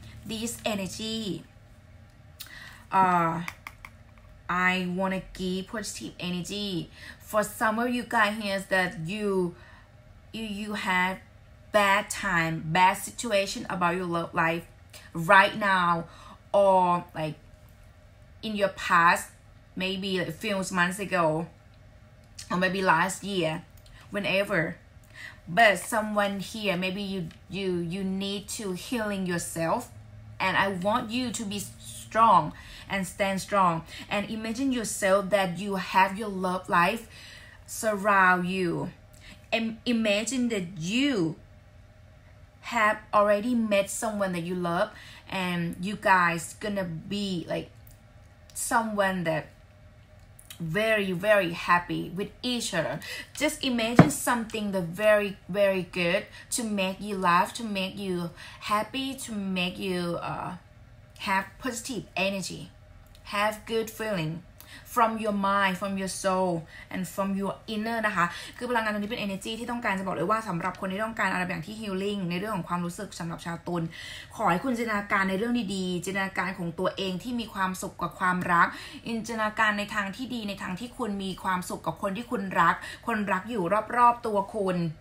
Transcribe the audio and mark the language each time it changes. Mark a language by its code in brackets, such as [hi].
[en] this energyI wanna give positive energy for some of you guys here that you have bad time, bad situation about your love life right now or like in your past, maybe a few months ago or maybe last year, whenever. But someone here, maybe you need to healing yourself and I want you to be strong. And stand strong. And imagine yourself that you have your love life surround you. And imagine that you have already met someone that you love. And you guys gonna be like someone that very, very happy with each other. Just imagine something that very, very good to make you laugh, to make you happy, to make you have positive energy. Have good feeling from your mind, from your soul, and from your inner [th] นะคะคือพลังงานตรงนี้เป็น energy ที่ต้องการจะบอกเลยว่าสำหรับคนที่ต้องการอะไรอย่างที่ healing ในเรื่องของความรู้สึกสำหรับชาวตุลขอให้คุณจินตนาการในเรื่องดีๆจินตนาการของตัวเองที่มีความสุขกับความรักจินตนาการในทางที่ดีในทางที่คุณมีความสุขกับคนที่คุณรักคนรักอยู่รอบๆตัวคุณ